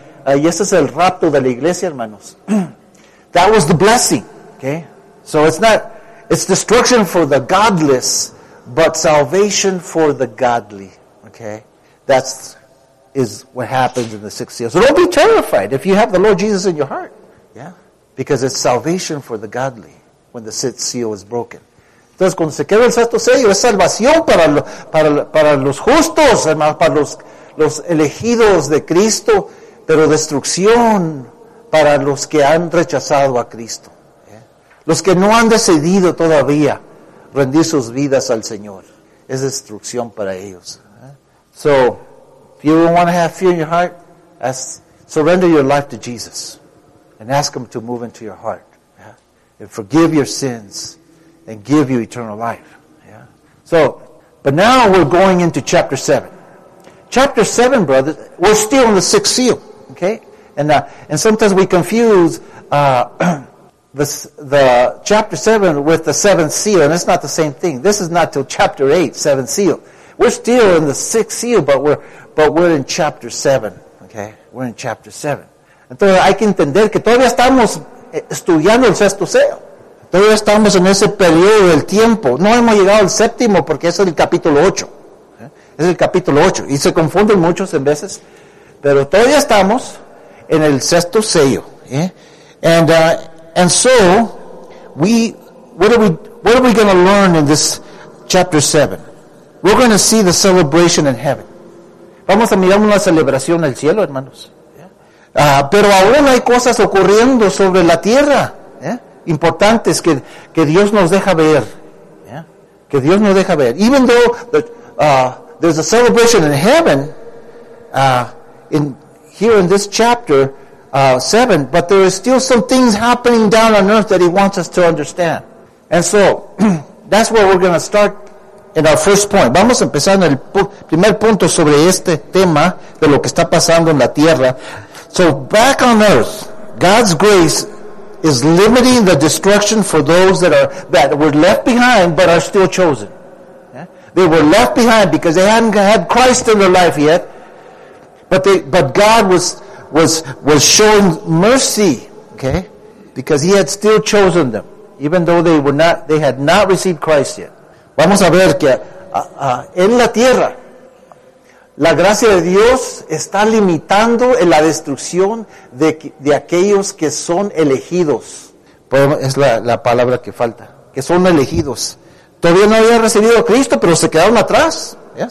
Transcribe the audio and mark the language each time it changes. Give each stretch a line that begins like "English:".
Spanish: Y ese es el rapto de la iglesia, hermanos.
English: That was the blessing, okay? So it's destruction for the godless, but salvation for the godly, okay? That's what happens in the sixth seal. So don't be terrified if you have the Lord Jesus in your heart, yeah? Because it's salvation for the godly when the sixth seal is broken.
Spanish: Entonces, cuando se queda el sexto sello, es salvación para los justos, hermanos, para los elegidos de Cristo, pero destrucción para los que han rechazado a Cristo. Los que no han decidido todavía rendir sus vidas al Señor. Es destrucción para ellos.
English: So, if you don't want to have fear in your heart, surrender your life to Jesus and ask Him to move into your heart and forgive your sins and give you eternal life. Yeah. So, but now we're going into chapter 7. Chapter 7, brothers, we're still in the sixth seal. Okay? And sometimes we confuse the chapter 7 with the seventh seal, and it's not the same thing. This is not till chapter 8, seventh seal. We're still in the sixth seal, but we're in chapter 7. Okay? We're in chapter 7.
Spanish: Entonces hay que entender que todavía estamos estudiando el sexto sello. Todavía estamos en ese periodo del tiempo. No hemos llegado al séptimo porque es el capítulo 8. Es el capítulo 8. Y se confunden muchos en veces. Pero todavía estamos en el sexto sello.
English: And so, what are we going to learn in this chapter 7? We're going to see the celebration in heaven.
Spanish: Vamos a mirar una celebración en el cielo, hermanos. Pero aún hay cosas ocurriendo sobre la tierra. Importantes que Dios nos deja ver. Yeah. Que Dios nos deja ver.
English: Even though there's a celebration in heaven, in this chapter 7, but there is still some things happening down on earth that He wants us to understand. And so, that's where we're going to start in our first point.
Spanish: Vamos a empezar en el primer punto sobre este tema de lo que está pasando en la tierra.
English: So back on earth, God's grace is limiting the destruction for those that were left behind but are still chosen. They were left behind because they hadn't had Christ in their life yet. But God was showing mercy, okay? Because he had still chosen them, even though they had not received Christ yet.
Spanish: Vamos a ver que en la tierra, la gracia de Dios está limitando en la destrucción de aquellos que son elegidos. Es la palabra que falta, que son elegidos. Todavía no había recibido a Cristo, pero se quedaron atrás, ¿ya?